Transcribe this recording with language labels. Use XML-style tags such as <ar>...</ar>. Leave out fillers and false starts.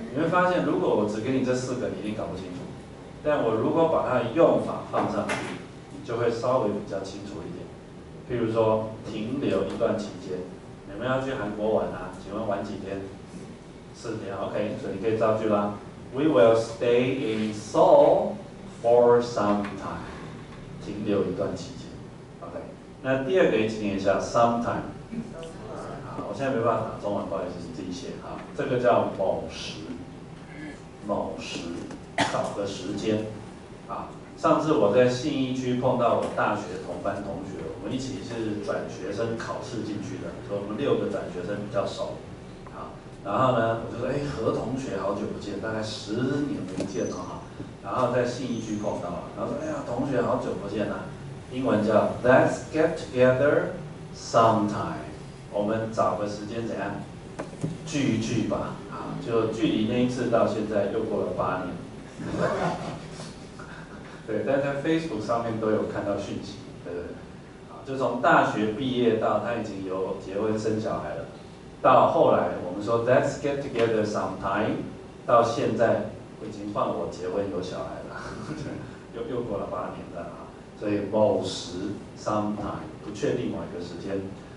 <zh>你会发现，如果我只给你这四个，你一定搞不清楚。但我如果把它的用法放上去，你就会稍微比较清楚一点。譬如说，停留一段期间，你们要去韩国玩啊？请问玩几天？四天 ，OK， 所以你可以造句啦。</zh> <en>We will stay in Seoul for some time，停留一段期间，OK。</en> <zh>那第二个，请念一下 sometime。我现在没办法打中文，不好意思，你自己写啊。这个叫某时，某时找个时间啊。上次我在信义区碰到我大学同班同学，我们一起是转学生考试进去的，所以我们六个转学生比较熟啊。然后呢，我就说，哎，何同学好久不见，大概十年没见了哈。然后在信义区碰到了，然后说，哎呀，同学好久不见呐。</zh> <en>英文叫 Let's get together sometime。</en> <zh>我们找个时间怎样聚一聚吧，啊，就距离那一次到现在又过了八年，对，但在 Facebook 上面都有看到讯息，对，就从大学毕业到他已经有结婚生小孩了，到后来我们说 Let's get together sometime，到现在已经换我结婚有小孩了，又过了八年了，所以某时 sometime 不确定某一个时间。</zh>